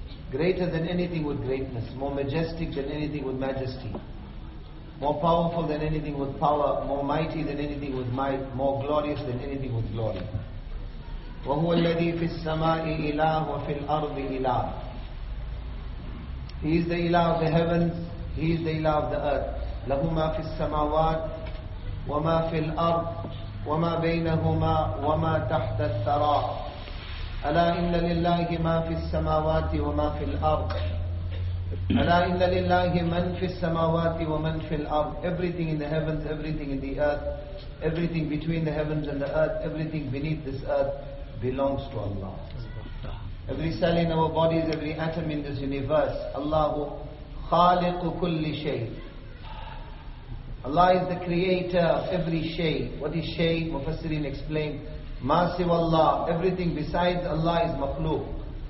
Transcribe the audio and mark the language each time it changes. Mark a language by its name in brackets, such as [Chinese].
[English] Greater than anything with greatness, more majestic than anything with majesty, more powerful than anything with power, more mighty than anything with might, more glorious than anything with glory. [Arabic] وَهُوَ الَّذِي فِي السَّمَاءِ إِلَهُ وَفِي الْأَرْضِ إِلَهُ [English] He is the ilah of the heavens, He is the ilah of the earth. [Arabic] لَهُمَا فِي السَّمَاوَاتِ وَمَا فِي الْأَرْضِ وَمَا بَيْنَهُمَا وَمَا تَحْتَ الثَّرَى أَلَا إِنَّ لِلَّهِ مَا فِي السَّمَاوَاتِ وَمَا فِي الْأَرْضِ أَلَا إِنَّ لِلَّهِ مَنْ فِي السَّمَاوَاتِ وَمَنْ فِي الْأَرْضِ [English] Everything in the heavens, everything in the earth, everything between the heavens and the earth, everything beneath this earth belongs to Allah. Every cell in our bodies, every atom in this universe, Allah [Arabic] خالق كل شيء. [English] Allah is the creator of every shay. What is shay? Mufassirin explained. [Arabic] مَا سِوَ اللَّهِ [English] Everything besides Allah is makhluq.